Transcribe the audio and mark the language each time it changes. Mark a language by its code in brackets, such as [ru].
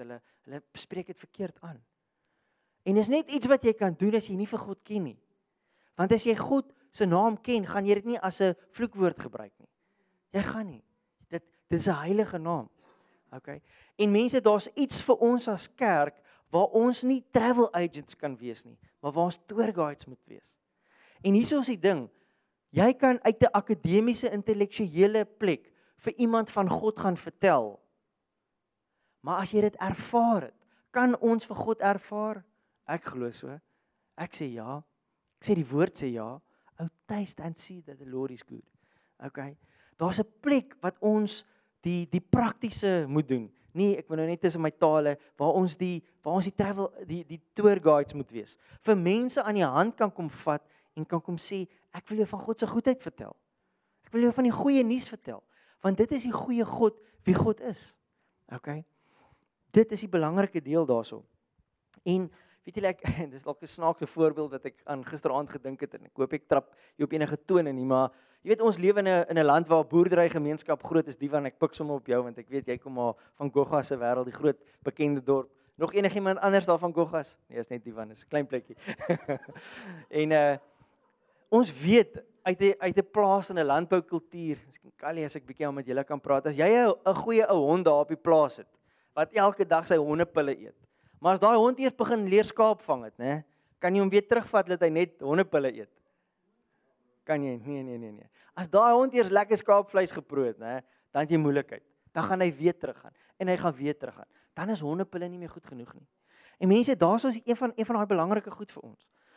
[af] Hulle spreek dit verkeerd aan. En is net iets wat jy kan doen as jy nie vir God ken nie. Want as jy God se naam ken, gaan jy dit nie as 'n vloekwoord gebruik nie. Jy gaan nie. Dit is 'n heilige naam. Okay. En mense, daar's iets vir ons as kerk waar ons nie travel agents kan wees nie, maar waar ons tour guides moet wees. En hier is die ding, jy kan uit 'n akademiese intellektuele plek vir iemand van God gaan vertel, maar as jy dit ervaar het, kan ons vir God ervaar? Ek glo so. Ek sê ja. Ek sê die woord sê ja. [en] Oh, taste and see that the Lord is good. [af] Okay, daar's 'n plek wat ons die praktiese moet doen. Nee, ek moet nou net tussen my tale waar ons die tour guides moet wees. Vir mense aan die hand kan kom vat en kan kom sê, ek wil jou van God se goedheid vertel. Ek wil jou van die goeie nuus vertel, want dit is die goeie God wie God is. OK? Dit is die belangrike deel daarso. En weet julle, dis dalk 'n snaakse voorbeeld wat ek aan gisteraand gedink het en ek hoop ek trap jou op enige tone nie, maar jy weet, ons lewe in 'n land waar boerderygemeenskap groot is, Diwan, ek pik sommer op jou, want ek weet, jy kom maar van Gogas se wêreld, die groot bekende dorp. Nog enig iemand anders daar van Gogas? Nee, is net Diwan, is 'n klein plekkie. En ons weet, uit die plaas en 'n landboukultuur, Callie, as ek bietjie met julle kan praat, as jy 'n goeie ou hond daar op die plaas het, wat elke dag sy hondepille eet, maar as daai hond eers begin leer skaap vang het, ne, kan jy hom weer terugvat, dat hy net hondepille eet. Kan jy? Nee. As daai hond eers lekker skaapvleis geproe het, né, dan het jy moeilikheid. Dan gaan hy weer teruggaan en hy gaan weer teruggaan. Dan is hondepille nie meer goed genoeg nie. En mense, daar's ons een van daai belangrike goed vir ons.